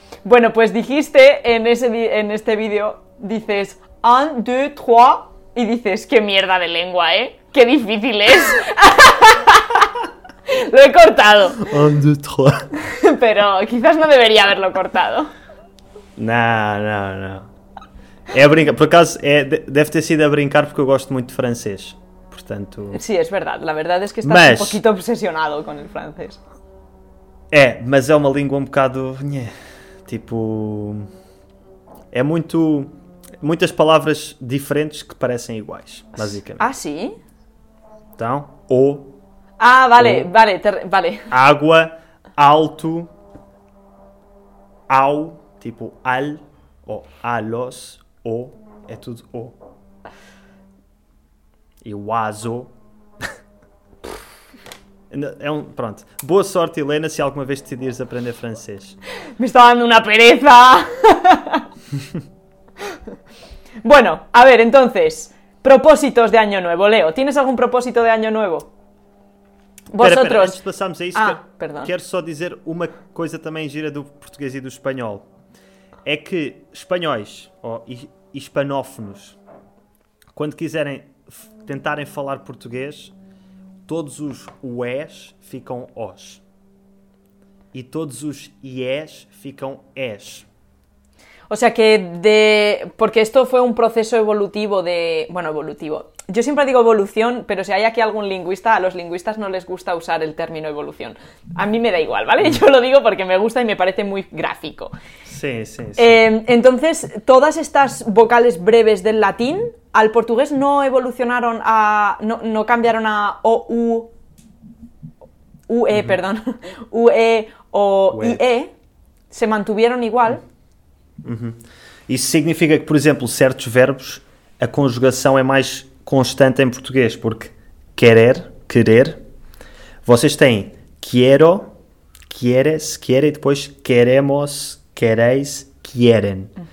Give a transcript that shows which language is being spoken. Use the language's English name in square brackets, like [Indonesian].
[Spanish] Bueno, pues dijiste en este vídeo, dices, 1, 2, 3, y dices, qué mierda de lengua, ¿eh? Qué difícil es. Lo he cortado. 1, 2, 3. Pero quizás no debería haberlo cortado. [Portuguese] Não. É a brincar. Por acaso, deve ter sido a brincar porque eu gosto muito de francês. Portanto... Sim, sí, é verdade. A verdade é que estás um poquito obsessionado com o francês. É, mas é uma língua um bocado... Tipo... É muito... Muitas palavras diferentes que parecem iguais, basicamente. Ah, sim? Então, ou... Ah, vale. Água, alto, ao, tipo al, ou alos, o, é tudo o. E o aso. É um, pronto. Boa sorte, Elena, se alguma vez decidires aprender francês. [Spanish] Me está dando uma pereza. Bueno, a ver, entonces, propósitos de año nuevo, Leo. ¿Tienes algún propósito de año nuevo? Vosotros. [Portuguese] Pero, antes de passarmos a isso, quero só dizer uma coisa também gira do português e do espanhol. É que espanhóis, ou hispanófonos, quando quiserem tentarem falar português, todos os ués ficam os. E todos os iés ficam es. [Spanish] O sea que de, porque esto fue un proceso evolutivo de, bueno, evolutivo. Yo siempre digo evolución, pero si hay aquí algún lingüista, a los lingüistas no les gusta usar el término evolución. A mí me da igual, ¿vale? Yo lo digo porque me gusta y me parece muy gráfico. Sí, sí, sí. Entonces, todas estas vocales breves del latín al portugués no evolucionaron a, no, no cambiaron a o, u, ue, perdón, ue o ie, se mantuvieron igual. [Portuguese] Isso significa que, por exemplo, certos verbos a conjugação é mais constante em português, porque querer, querer, vocês têm quiero, quieres, quiere, e depois queremos, quereis, quieren.